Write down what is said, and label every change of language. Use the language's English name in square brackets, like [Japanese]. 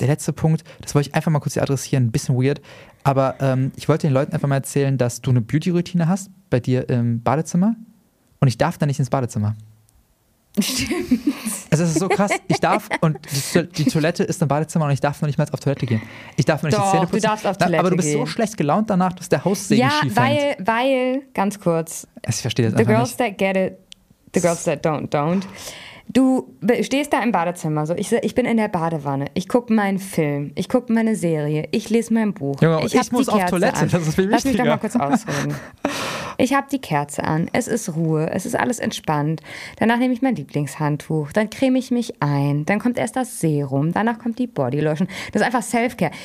[German] Der letzte Punkt, das wollte ich einfach mal kurz hier adressieren, ein bisschen weird, aber ich wollte den Leuten einfach mal erzählen, dass du eine Beauty-Routine hast bei dir im Badezimmer und ich darf da nicht ins Badezimmer. Stimmt. Also es ist so krass, ich darf und die Toilette ist im Badezimmer und ich darf noch nicht mal auf Toilette gehen. Ich darf nicht die Zähne putzen. Du darfst auf Toilette gehen. Aber du bist so schlecht gelaunt danach, dass der Haussegen schief hängt. Ja, weil, ganz kurz. Also ich verstehe das einfach nicht. [English] The girls that get it, the girls that don't. [German] Du stehst da im Badezimmer, so ich bin in der Badewanne, ich gucke meinen Film, ich gucke meine Serie, ich lese mein Buch. Junge, ich muss auf Toilette, das ist viel wichtiger. Lass mich doch mal kurz ausreden. Ich habe die Kerze an, es ist Ruhe, es ist alles entspannt. Danach nehme ich mein Lieblingshandtuch, dann creme ich mich ein, dann kommt erst das Serum, danach kommt die Bodylotion. Das ist einfach Selfcare.